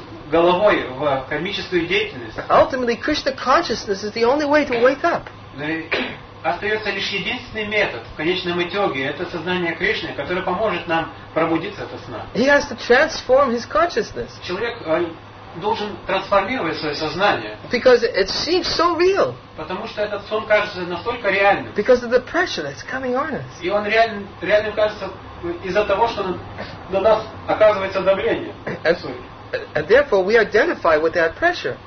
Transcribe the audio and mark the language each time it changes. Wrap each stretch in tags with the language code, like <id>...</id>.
<ru>головой в кармическую деятельность.</ru> <en>Ultimately, Krishna consciousness is the only way to wake up.</en> <ru>Остается лишь единственный метод в конечном итоге – это сознание Кришны, которое поможет нам пробудиться от сна.</ru> <en>He has to transform his consciousness.</en> <ru>Человек должен трансформировать свое сознание.</ru> <en>Because it seems so real.</en> <ru>Потому что этот сон кажется настолько реальным.</ru> <en>Because of the pressure that's coming on us.</en> <ru>И он реально кажется из-за того, что на нас оказывается давление.</ru> <en>And therefore we identify with that pressure.</en>